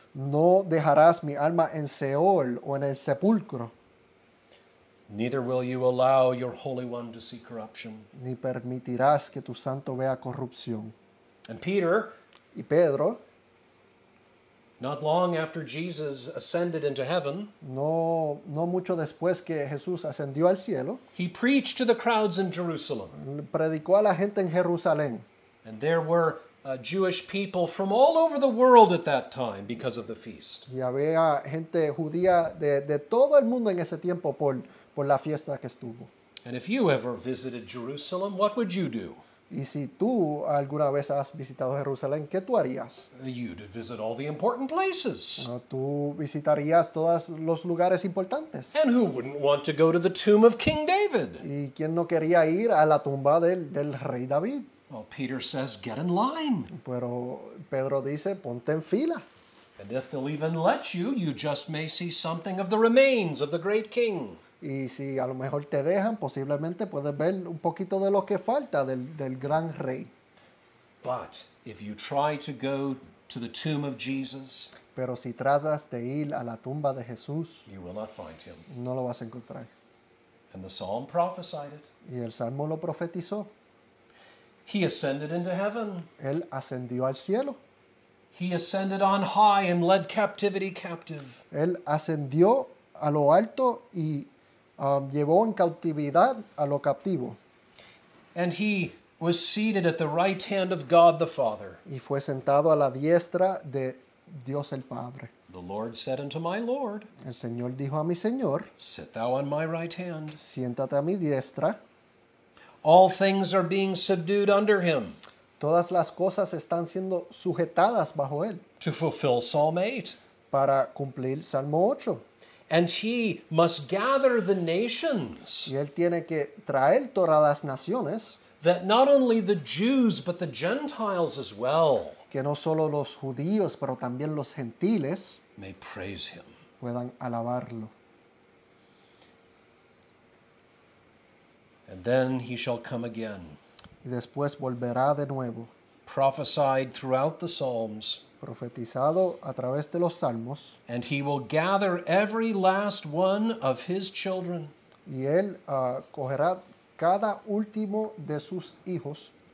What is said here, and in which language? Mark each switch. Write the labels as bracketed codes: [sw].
[es] No dejarás mi alma en Seol o en el sepulcro. [en] Neither will you allow your Holy One to see corruption. [es] Ni permitirás que tu santo vea corrupción. [en] And Peter, [es] y Pedro, [en] not long after Jesus ascended into heaven, [es] no mucho después que Jesús ascendió al cielo, [en] he preached to the crowds in Jerusalem. [es] Predicó a la gente en Jerusalén. [en] And there were Jewish people from all over the world at that time because of the feast. [es] Y había gente judía de todo el mundo en ese tiempo por la fiesta que estuvo. [en] And if you ever visited Jerusalem, what would you do? [es] Y si tú alguna vez has visitado Jerusalén, ¿qué tú harías? [en] You'd visit all the important places. [es] ¿No? Tú visitarías todos los lugares importantes. [en] And who wouldn't want to go to the tomb of King David? [es] ¿Y quién no quería ir a la tumba del rey David? [en] Well, Peter says, get in line. [es] Pero Pedro dice, ponte en fila. [en] And if they'll even let you, you just may see something of the remains of the great king. [es] Y si a lo mejor te dejan, posiblemente puedes ver un poquito de lo que falta del gran rey. [en] But if you try to go to the tomb of Jesus, [es] pero si tratas de ir a la tumba de Jesús, [en] you will not find him. [es] No lo vas a encontrar. [en] And the psalm prophesied it. [es] Y el salmo lo profetizó. [en] He ascended into heaven. [es] Él ascendió al cielo. [en] He ascended on high and led captivity captive. [es] Él ascendió a lo alto y llevó en cautividad a lo captivo. [en] And he was seated at the right hand of God the Father. [es] Y fue sentado a la diestra de Dios el Padre. [en] The Lord said unto my Lord, [es] el Señor dijo a mi Señor, [en] sit thou on my right hand. [es] Siéntate a mi diestra. [en] All things are being subdued under him. [es] Todas las cosas están siendo sujetadas bajo él. [en] To fulfill Psalm 8. [es] Para cumplir Salmo 8. [en] And he must gather the nations. [es] Y él tiene que traer todas las naciones. [en] That not only the Jews, but the Gentiles as well. [es] Que no solo los judíos, pero también los gentiles. [en] May praise him. [es] Puedan alabarlo. [en] And then he shall come again. [es] Y después volverá de nuevo. [en] Prophesied throughout the Psalms. [es] Profetizado a través de los salmos. [en] And he will gather every last one of his children. [es] Y él cogerá cada último de sus hijos.